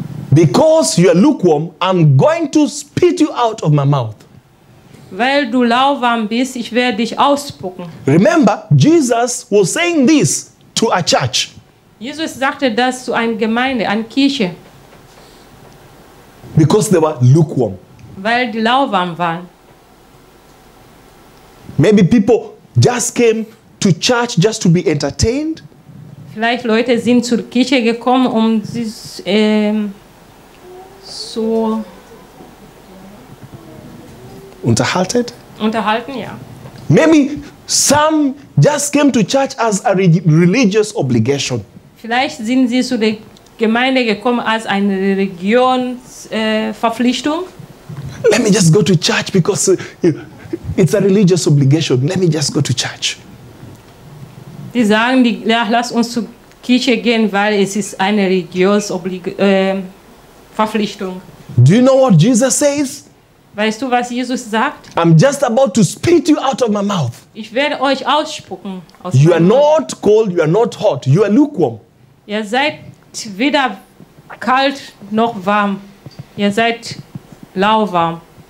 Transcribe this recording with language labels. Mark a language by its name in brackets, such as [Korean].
[English] Because you are lukewarm, I'm going to spit you out of my mouth. [German] Weil du lauwarm bist, ich werde dich ausspucken. [English] Remember, Jesus was saying this to a church. [German] Jesus sagte das zu einer Gemeinde, einer Kirche. [English] Because they were lukewarm. [German] Weil die lauwarm waren. [English] Maybe people just came to church just to be entertained. [German] Vielleicht Leute sind zur Kirche gekommen, um sich so unterhalten, ja. [English] Maybe some just came to church as a religious obligation. [German] Vielleicht sind sie zu der Gemeinde gekommen als eine Religionsverpflichtung. [English] Let me just go to church because it's a religious obligation. Let me just go to church. [German] Die sagen, lass uns zur Kirche gehen, weil es ist eine religiöse Verpflichtung. [English] Do you know what Jesus says? [German] Weißt du, was Jesus sagt? [English] I'm just about to spit you out of my mouth. [German] Ich werde euch ausspucken. [English] You are not cold, you are not hot, you are lukewarm. [German] Ihr seid weder kalt noch warm. Ihr seid lauwarm.